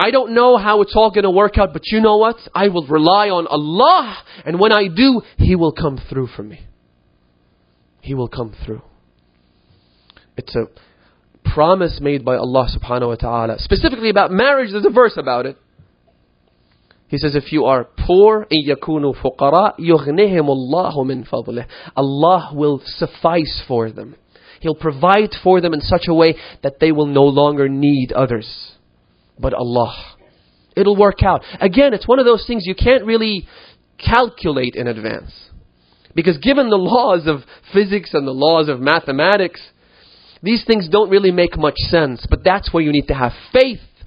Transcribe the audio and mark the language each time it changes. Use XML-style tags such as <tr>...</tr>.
<en>I don't know how it's all going to work out, but you know what? I will rely on Allah, and when I do, He will come through for me. He will come through. It's a promise made by Allah subhanahu wa ta'ala. Specifically about marriage, there's a verse about it. He says, if you are poor,</en> <ar>إِن يَكُونُوا فُقَرَىٰ يُغْنِهِمُ اللَّهُ مِنْ فَضْلِهِ.</ar> <en>Allah will suffice for them. He'll provide for them in such a way that they will no longer need others. But Allah. It'll work out. Again, it's one of those things you can't really calculate in advance. Because given the laws of physics and the laws of mathematics, these things don't really make much sense, but that's where you need to have faith.</en>